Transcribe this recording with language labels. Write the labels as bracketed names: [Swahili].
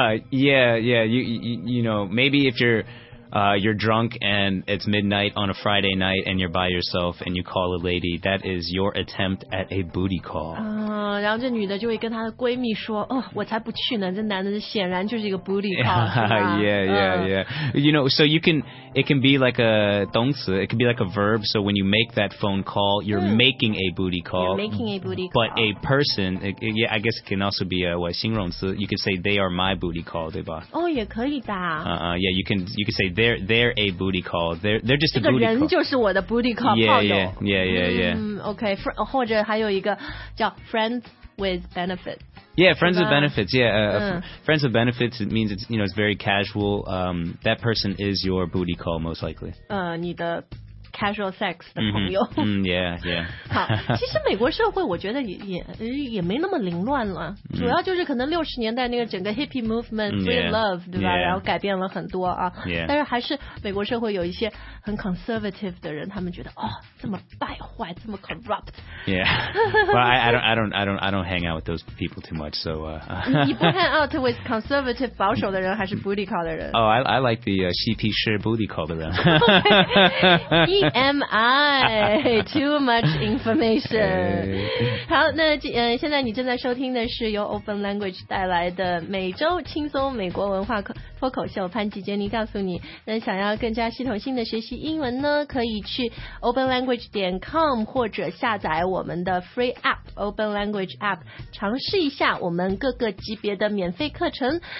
[English] You know, maybe if you're drunk and it's midnight on a Friday night and you're by yourself and you call a lady, that is your attempt at a booty call. [Chinese] 然后这女的就会跟她的闺蜜说，哦，我才不去呢，这男的显然就是一个 booty call， [English] You know, so it can be like a [Chinese] 动词 [English] it can be like a verb, so when you make that phone call, you're making a booty call. You're making a booty call. But a person, I guess it can also be a [Chinese] 形容词 [English] you can say they are my booty call, [Chinese] 对吧？哦，也可以的。 [English] You can say they're a booty call. They're just a booty call. [Chinese] 这个人就是我的 booty call 炮友。Yeah. Okay, 或者还有一个叫 [English] friends with benefits. Yeah, friends with benefits. Yeah, friends with benefits. It means it's you know it's very casual. That person is your booty call most likely. [Chinese] 你的 casual sex 的朋友。 [English] Yeah. [Chinese] 好，其实美国社会我觉得也没那么凌乱了。主要就是可能六十年代那个整个 [English] hippie movement, free love, [Chinese] 对吧？然后改变了很多啊。 [English] Yeah. [Chinese] 但是还是美国社会有一些很 conservative 的人，他们觉得哦，这么败坏，这么 corrupt。 [English] Yeah, well, I don't hang out with those people too much. So, you hang out with conservative [Chinese] 保守的人还是 [English] booty call [Chinese] 的人 [English] Oh, I like the [Chinese] 嬉皮士 [English] booty call [Chinese] 的人你以 [English] TMI, too much information. [Chinese] 好，那现在你正在收听的是由 Open Language 带来的每周轻松美国文化脱口秀潘吉杰尼告诉你。那想要更加系统性的学习英文呢，可以去 openlanguage.com 或者下载我们的 free app Open Language app， 尝试一下我们各个级别的免费课程。